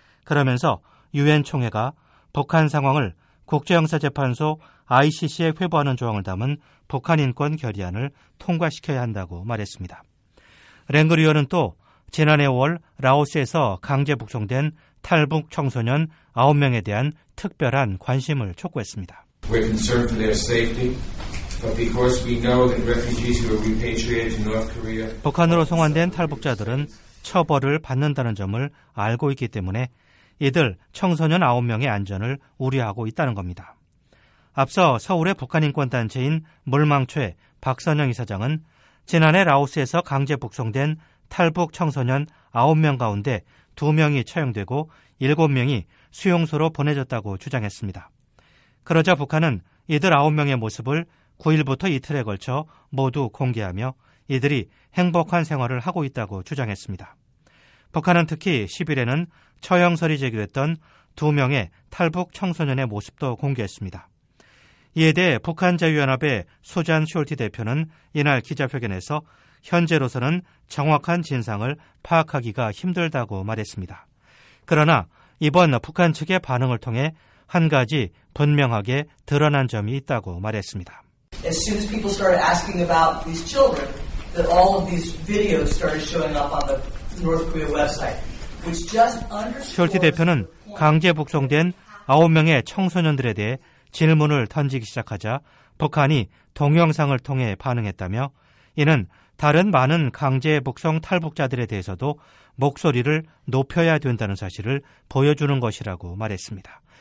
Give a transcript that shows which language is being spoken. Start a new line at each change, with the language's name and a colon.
Korean: 그러면서 유엔 총회가 북한 상황을 국제형사재판소 ICC에 회부하는 조항을 담은 북한인권 결의안을 통과시켜야 한다고 말했습니다. 랭글 의원은 또 지난해 5월 라오스에서 강제 북송된 탈북 청소년 9명에 대한 특별한 관심을 촉구했습니다.
English: We're concerned for their safety, but because we know that refugees who are repatriated to North Korea
Korean: 북한으로 송환된 탈북자들은 처벌을 받는다는 점을 알고 있기 때문에 이들 청소년 9명의 안전을 우려하고 있다는 겁니다. 앞서 서울의 북한인권단체인 물망초의 박선영 이사장은 지난해 라오스에서 강제 북송된 탈북 청소년 9명 가운데 2명이 처형되고 7명이 수용소로 보내졌다고 주장했습니다. 그러자 북한은 이들 9명의 모습을 9일부터 이틀에 걸쳐 모두 공개하며 이들이 행복한 생활을 하고 있다고 주장했습니다. 북한은 특히 10일에는 처형설이 제기됐던 두 명의 탈북 청소년의 모습도 공개했습니다. 이에 대해 북한자유연합의 소잔 숄티 대표는 이날 기자회견에서 현재로서는 정확한 진상을 파악하기가 힘들다고 말했습니다. 그러나 이번 북한 측의 반응을 통해 한 가지 분명하게 드러난 점이 있다고 말했습니다.
English: As soon as people started asking about these children, that all of these videos started showing up on the North Korea website, which just underscores.
Korean: 숄츠 대표는 강제 북송된 9명의 청소년들에 대해 질문을 던지기 시작하자 북한이 동영상을 통해 반응했다며 이는 다른 많은 강제 북송 탈북자들에 대해서도 목소리를 높여야 된다는 사실을 보여주는 것이라고 말했습니다.